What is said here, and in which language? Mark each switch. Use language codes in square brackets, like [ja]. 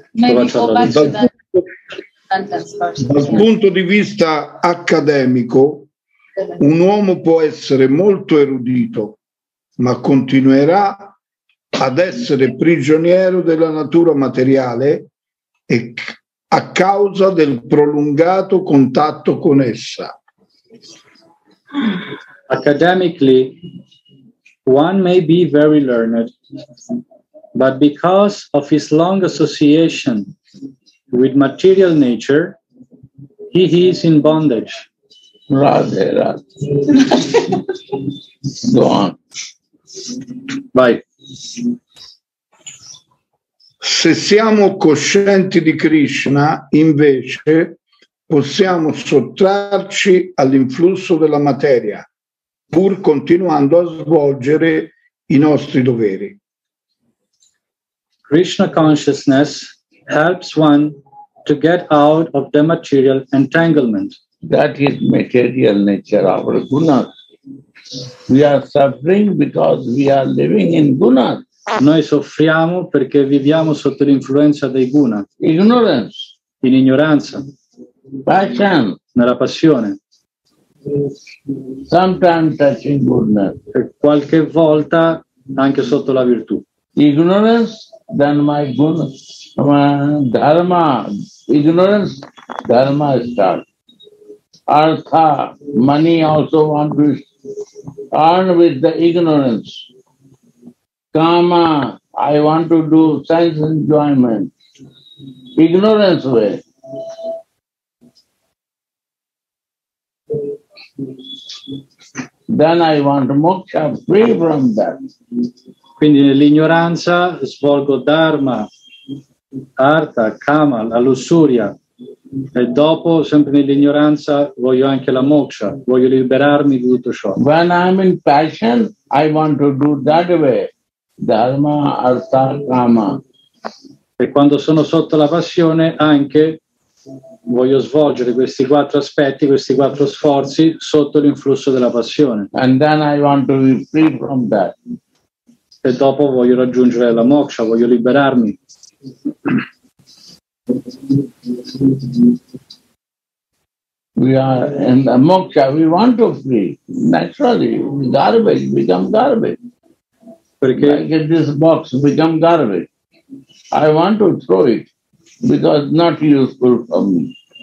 [it] Dal punto di vista accademico, un uomo può essere molto erudito, ma continuerà ad essere prigioniero della natura materiale e a causa del prolungato contatto con essa. [en] Academically, one may be very learned, but because of his long association with material nature, he is in bondage. Radhe, Radhe. Go on. [it] Vai. Se siamo coscienti di Krishna, invece, possiamo sottrarci all'influsso della materia, pur continuando a svolgere i nostri doveri. [en] Krishna consciousness helps one to get out of the material entanglement. That is material nature, our gunas. We are suffering because we are living in gunas. [it] Noi soffriamo perché viviamo sotto l'influenza dei guna. [en] Ignorance. [it] In ignoranza. [en] Passion. [it] Nella passione. [en] Sometimes in guna. [it] E qualche volta anche sotto la virtù. [en] Ignorance, then my guna. Dharma, ignorance, dharma starts. Artha, money also want to earn with the ignorance. Kama, I want to do sense enjoyment. Ignorance way. Then I want moksha, free from that. [it] Quindi nell'ignoranza svolgo dharma, artha, kama, la lussuria. E dopo, sempre nell'ignoranza, voglio anche la moksha, voglio liberarmi di tutto ciò. [en] When I'm in passion, I want to do that way. Dharma, artha, kama. [it] E quando sono sotto la passione, anche voglio svolgere questi quattro aspetti, questi quattro sforzi, sotto l'influsso della passione. [en] And then I want to be free from that. [it] E dopo voglio raggiungere la moksha, voglio liberarmi. [en] We are in the moksha, we want to free. Naturally, garbage become garbage. [it] Perché? [en] Like this box become garbage. I want to throw it because not useful for me.